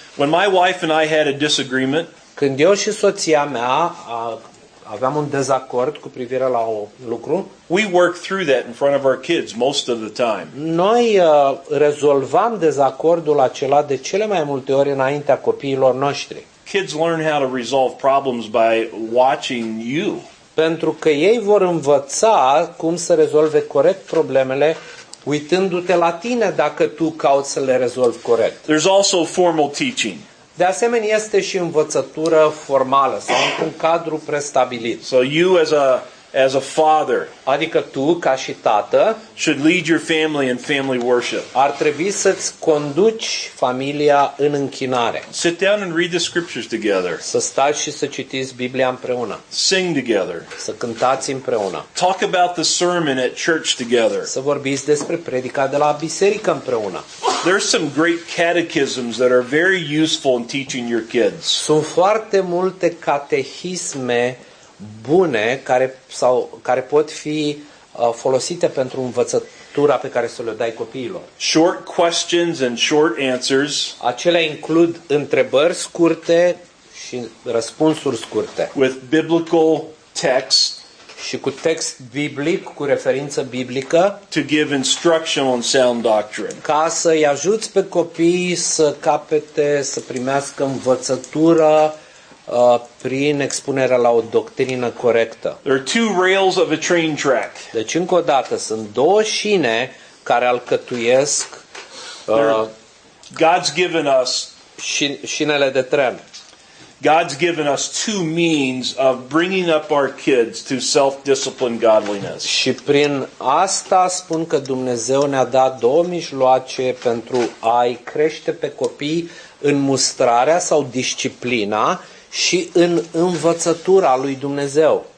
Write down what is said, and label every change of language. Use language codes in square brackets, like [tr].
[en] When my wife and I had a disagreement. [ro] Când eu și soția mea aveam un dezacord cu privire la un lucru. [en] We work through that in front of our kids most of the time. [ro] Noi rezolvam dezacordul acela de cele mai multe ori înaintea copiilor noștri. [en] Kids learn how to resolve problems by watching you. [ro] Pentru că ei vor învăța cum să rezolve corect problemele uitându-te la tine dacă tu cauți să le rezolvi corect. [en] There's also formal teaching. [ro] De asemenea, este și învățătură formală sau într-un cadru prestabilit. [en] So you as a father, [ro] adică tu ca și tată, [en] should lead your family in family worship. [ro] Ar trebui să-ți conduci familia în închinare. [en] Sit down and read the scriptures together. [ro] Să stai și să citiți Biblia împreună. [en] Sing together. [ro] Să cântați împreună. [en] Talk about the sermon at church together. [ro] Să vorbiți despre predica de la biserică împreună. [en] There are some great catechisms that are very useful in teaching your kids. [ro] Sunt foarte multe catehisme bune care sau care pot fi folosite pentru învățătura pe care să le dai copiilor. [en] Short questions and short answers. [ro] Acelea includ întrebări scurte și răspunsuri scurte. [en] With biblical text. [ro] Și cu text biblic, cu referință biblică. [en] To give instruction on sound doctrine. [ro] Ca să îi ajuți pe copii să capete, să primească învățătură prin expunerea la o doctrină corectă. [en] There are two rails of a train track. [ro] Deci încă o dată sunt două șine care alcătuiesc [en] God's given us [ro] șinele de tren. [en] God's given us two means of bringing up our kids to self-discipline godliness. [ro] Și prin asta spun că Dumnezeu ne-a dat două mijloace pentru a-i crește pe copii în mustrarea sau disciplina și în învățătura lui Dumnezeu.